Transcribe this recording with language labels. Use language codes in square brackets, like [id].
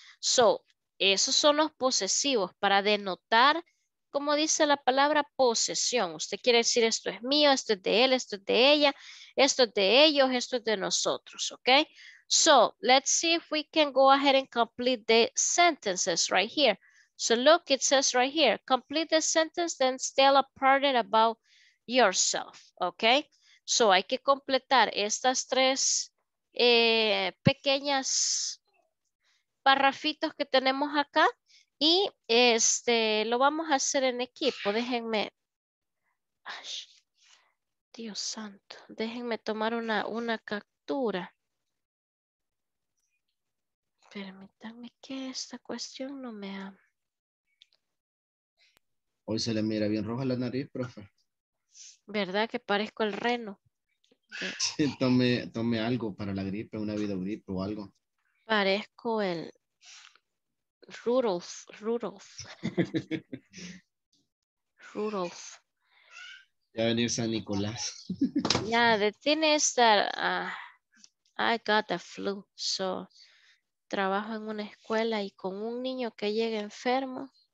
[es] So, esos son los posesivos para denotar, como dice la palabra, posesión. Usted quiere decir esto es mío, esto es de él, esto es de ella, esto es de ellos, esto es de nosotros. [en] Okay. So, let's see if we can go ahead and complete the sentences right here. So look, it says right here, complete the sentence, then tell a part about yourself, okay? [es] So hay que completar estas tres pequeñas parrafitos que tenemos acá y este lo vamos a hacer en equipo. Déjenme, ay, Dios santo, déjenme tomar una captura. Permítanme que esta cuestión no me ha... Hoy se le mira bien roja la nariz, profe. ¿Verdad que parezco el reno? Sí, tome algo para la gripe, una vida gripe o algo. Parezco el Rudolf. Rudolf. Ya venir San Nicolás. [en] Ya, yeah, the thing is that I got the flu. [es] So, trabajo en una escuela y con un niño que llega enfermo.